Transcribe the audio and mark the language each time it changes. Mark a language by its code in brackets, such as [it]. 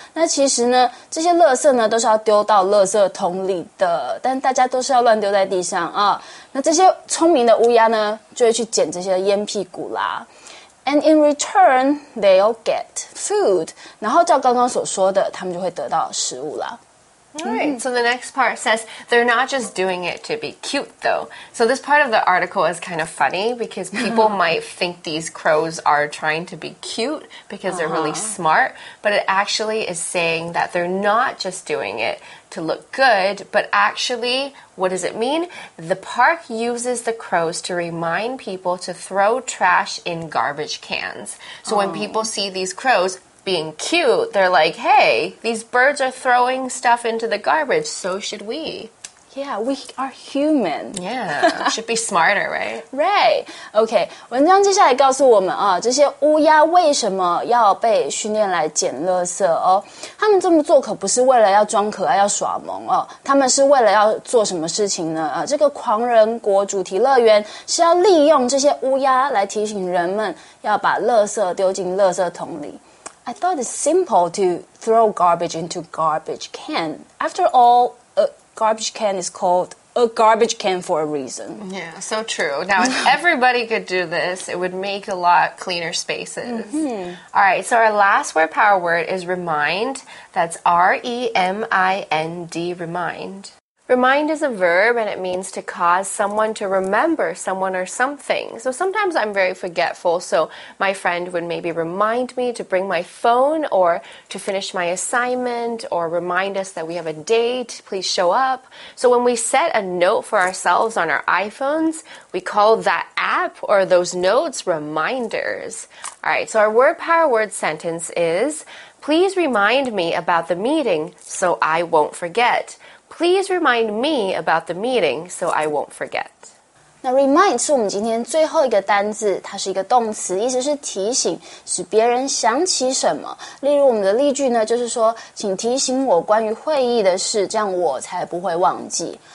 [zh] 那其实呢，这些垃圾呢都是要丢到垃圾桶里的，但大家都是要乱丢在地上啊。那这些聪明的乌鸦呢，就会去捡这些烟屁股啦。 [en] And in return, they'll get food. [zh] 然后照刚刚所说的，他们就会得到食物啦。 [en] Alright, so the next part says, they're not just doing it to be cute though. So this part of the article is kind of funny because people might think these crows are trying to be cute because they're really smart, but it actually is saying that they're not just doing it to look good, but actually, what does it mean? The park uses the crows to remind people to throw trash in garbage cans. So when people see these crows,being cute, they're like, hey, these birds are throwing stuff into the garbage, so should we. Yeah, we are human. Yeah, should be smarter, right? Right. [zh] Okay, 文章接下来告诉我们啊，这些乌鸦为什么要被训练来捡垃圾哦？他们这么做可不是为了要装可爱、要耍萌哦，他们是为了要做什么事情呢？这个狂人国主题乐园是要利用这些乌鸦来提醒人们要把垃圾丢进垃圾桶里。 [en] I thought it's simple to throw garbage into garbage can. After all, a garbage can is called a garbage can for a reason. Yeah, so true. Now, if everybody could do this, it would make a lot cleaner spaces. All right, so our last word power word is remind. That's R-E-M-I-N-D, remind. Remind is a verb, and it means to cause someone to remember someone or something. So sometimes I'm very forgetful, so my friend would maybe remind me to bring my phone or to finish my assignment or remind us that we have a date, please show up. So when we set a note for ourselves on our iPhones, we call that app or those notes reminders. All right, so our word power word sentence is, Please remind me about the meeting so I won't forget. Please remind me about the meeting so I won't forget. [zh] 那 remind 是我们今天最后一个单字，它是一个动词，意思是提醒，使别人想起什么。例如我们的例句呢，就是说，请提醒我关于会议的事，这样我才不会忘记。